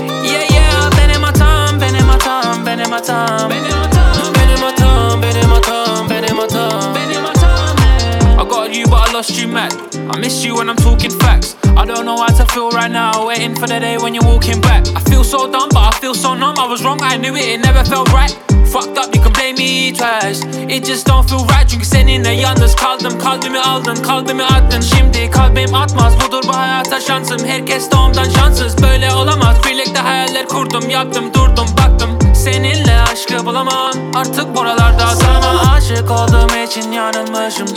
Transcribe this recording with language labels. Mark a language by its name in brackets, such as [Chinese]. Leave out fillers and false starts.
[Turkish] Yeah yeah, benim hatam, benim hatam, benim hatam. Benim hatam, benim hatam, benim hatam, benim hatam. Benim hatam ne? [English] I got you but I lost you, man. I miss you when I'm talking facts. I don't know how to feel right now, waiting for the day when you're walking back. I feel so dumb but I feel so numb, I was wrong, I knew it, it never felt right. Fucked up, you can blame me twice. It just don't feel right, [Turkish] çünkü seninle yalnız kaldım. Kalbimi aldın, kalbimi attın. Şimdi kalbim atmaz, budur bu hayata şansım. Herkes doğumdan şanssız, böyle olamaz. Birlikte hayaller kurdum, yaptım, durdum, baktım. Seninle aşkı bulamam, artık buralarda. Sana aşık olduğum için yanılmışım.